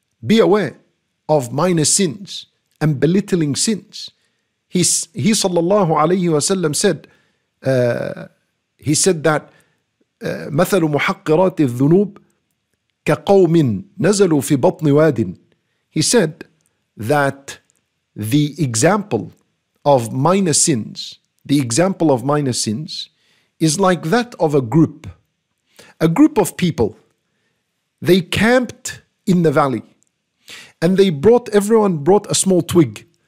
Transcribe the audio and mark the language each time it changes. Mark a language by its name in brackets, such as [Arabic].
[English] Be aware of minor sins and belittling sins. [Arabic] He sallallahu alayhi wa sallam said, مَثَلُ مُحَقِّرَاتِ الذُّنُوبِ كَقَوْمٍ نَزَلُوا فِي بَطْنِ وَادٍ. [English] He said that the example of minor sins, the example of minor sins is like that of a group of people. They camped in the valley and everyone brought a small twig.